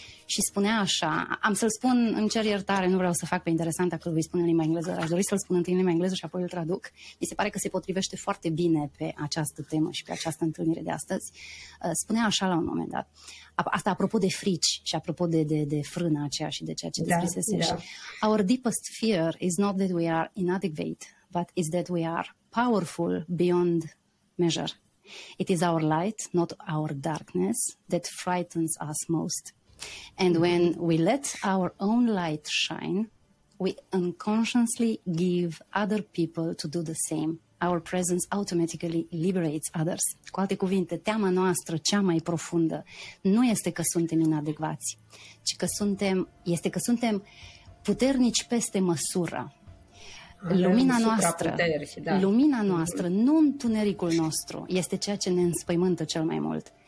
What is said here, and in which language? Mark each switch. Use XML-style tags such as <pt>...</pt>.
<ro>Și spunea așa, am să-l spun, îmi cer iertare, nu vreau să fac pe interesant, dacă îl voi spune în limba engleză, aș dori să-l spun întâi în limba engleză și apoi îl traduc. Mi se pare că se potrivește foarte bine pe această temă și pe această întâlnire de astăzi. Spunea așa la un moment dat, asta apropo de frici și apropo de frâna aceea și de ceea ce descrisese.</ro> <en>Our deepest fear is not that we are inadequate, but is that we are powerful beyond measure. It is our light, not our darkness, that frightens us most. And when we let our own light shine, we unconsciously give other people to do the same. Our presence automatically liberates others.</en> <ro>Cu alte cuvinte, teama noastră cea mai profundă nu este că suntem inadecvați, ci că suntem puternici peste măsură. Lumina noastră, lumina noastră, nu întunericul nostru, este ceea ce ne înspăimântă cel mai mult.</ro>